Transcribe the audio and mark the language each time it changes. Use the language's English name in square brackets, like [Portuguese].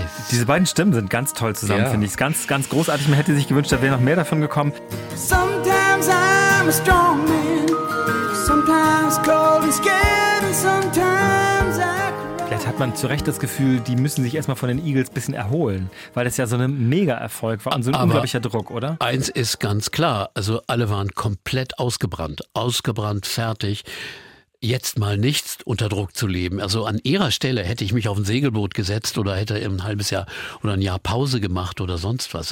[German] Diese beiden Stimmen sind ganz toll zusammen, finde ich. Ganz, ganz großartig. Man hätte sich gewünscht, da wäre noch mehr davon gekommen. [English] Sometimes I'm a strong man. Sometimes cold and scared. And sometimes I cry. [German] Vielleicht hat man zu Recht das Gefühl, die müssen sich erstmal von den Eagles ein bisschen erholen. Weil das ja so ein Mega-Erfolg war und so ein unglaublicher Druck, oder? Eins ist ganz klar. Also alle waren komplett ausgebrannt. Ausgebrannt, fertig. Jetzt mal nichts unter Druck zu leben. Also an ihrer Stelle hätte ich mich auf ein Segelboot gesetzt oder hätte ein halbes Jahr oder ein Jahr Pause gemacht oder sonst was.